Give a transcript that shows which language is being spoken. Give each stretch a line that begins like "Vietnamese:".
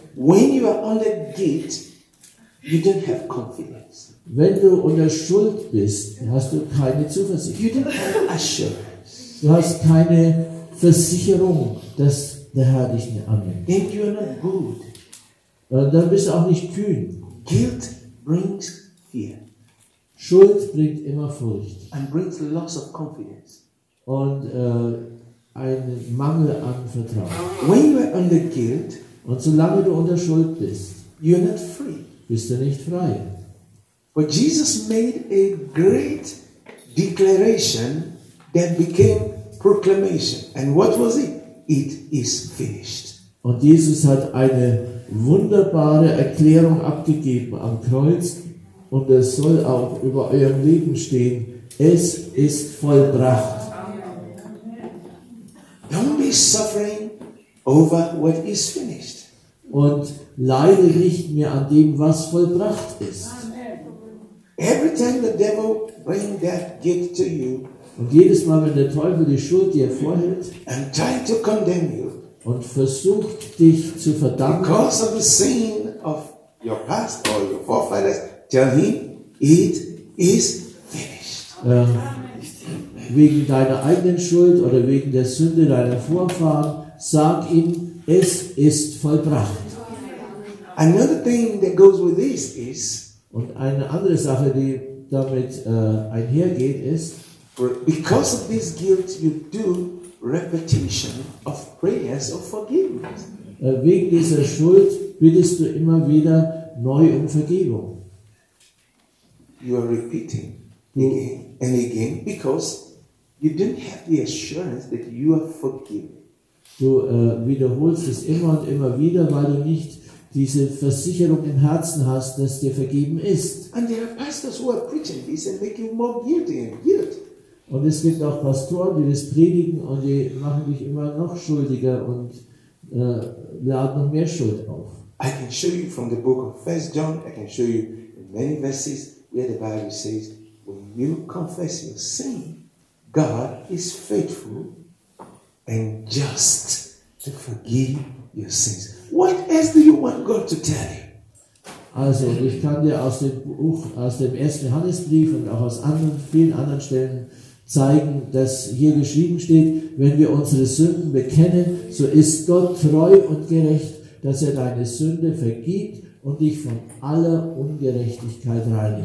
English: When you are under guilt, you don't have confidence.
German: Wenn du unter Schuld bist, hast du keine Zuversicht.
English: You don't have assurance.
German: Du hast keine Versicherung, dass der Herr dich nicht annimmt.
English: Then you are not good.
German: Und dann bist du auch nicht kühn.
English: Guilt brings fear.
German: Schuld bringt immer Furcht.
English: And brings loss of confidence.
German: Und einen Mangel an Vertrauen.
English: When you are under guilt,
German: und solange du unter Schuld bist,
English: you're not free.
German: Bist du nicht frei.
English: But Jesus made a great declaration that became proclamation. And what was it? It is finished.
German: Und Jesus hat eine wunderbare Erklärung abgegeben am Kreuz. Und es soll auch über eurem Leben stehen. Es ist vollbracht.
English: Don't be suffering over what is finished.
German: Und leide nicht mehr an dem, was vollbracht ist.
English: Every time the devil bring that guilt to you,
German: und jedes Mal, wenn der Teufel die Schuld dir vorhält
English: and try to condemn you,
German: und versucht, dich zu verdammen,
English: because of the sin of your past or your forefathers, tell him, it is finished.
German: Wegen deiner eigenen Schuld oder wegen der Sünde deiner Vorfahren, sag ihm, es ist vollbracht.
English: Another thing that goes with this is,
German: und eine andere Sache, die damit einhergeht, ist,
English: because of this guilt, you do repetition of prayers of forgiveness.
German: Wegen dieser Schuld bittest du immer wieder neu um Vergebung.
English: You are repeating again and again because you didn't have the assurance that you are forgiven.
German: Du wiederholst es immer und immer wieder, weil du nicht diese Versicherung im Herzen hast, dass dir vergeben ist.
English: And there are pastors who are preaching this and making more guilty and guilt.
German: Und es gibt auch Pastoren, die das predigen und die machen dich immer noch schuldiger und laden noch mehr Schuld auf.
English: I can show you from the book of 1 John, I can show you in many verses where the Bible says, when you confess your sin, God is faithful and just to forgive your sins. What else do you want God to tell you?
German: Also, ich kann dir aus dem Buch, aus dem 1. Johannesbrief und auch aus anderen, vielen anderen Stellen zeigen, dass hier geschrieben steht, wenn wir unsere Sünden bekennen, so ist Gott treu und gerecht, dass er deine Sünde vergibt und dich von aller Ungerechtigkeit reinigt.